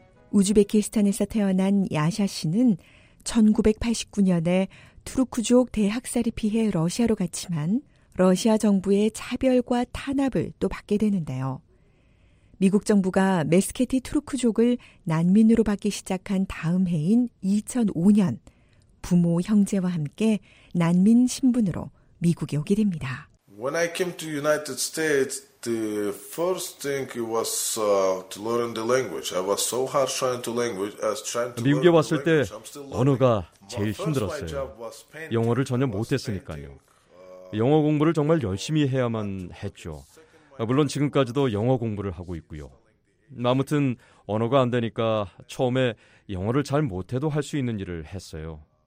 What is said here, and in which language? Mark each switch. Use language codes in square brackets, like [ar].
[ko] 우즈베키스탄에서 태어난 야샤 씨는 1989년에 투르크족 대학살이 피해 러시아로 갔지만 러시아 정부의 차별과 탄압을 또 받게 되는데요. 미국 정부가 메스케티 투르크족을 난민으로 받기 시작한 다음 해인 2005년, 부모, 형제와 함께 난민 신분으로 미국에 오게 됩니다. [en] When I came to United States, the first thing was to learn the language. I was so hard trying to language as trying to learn. [ko] 미국에 왔을 때 언어가 제일 힘들었어요. 영어를 전혀 못했으니까요. 영어 공부를 정말 열심히 해야만 했죠. 물론 지금까지도 영어 공부를 하고 있고요. 아무튼 언어가 안 되니까 처음에 영어를 잘 못해도 할 수 있는 일을 했어요.